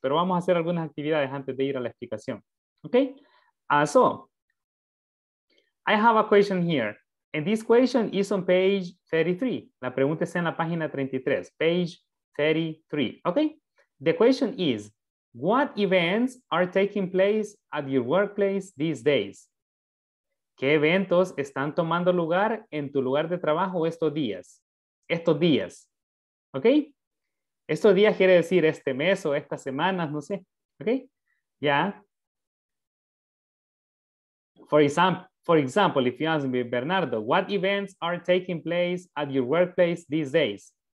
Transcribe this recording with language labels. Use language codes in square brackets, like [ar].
[es] Pero vamos a hacer algunas actividades antes de ir a la explicación, okay? [en] So, I have a question here. And this question is on page 33. [es] La pregunta está en la página 33, [en] page 33, okay? The question is, what events are taking place at your workplace these days? [es] ¿Qué eventos están tomando lugar en tu lugar de trabajo estos días? Estos días, okay? Estos días quiere decir este mes o estas semanas, no sé, okay? [en] Yeah. For example, if you ask me, Bernardo, what events are taking place at your workplace these days?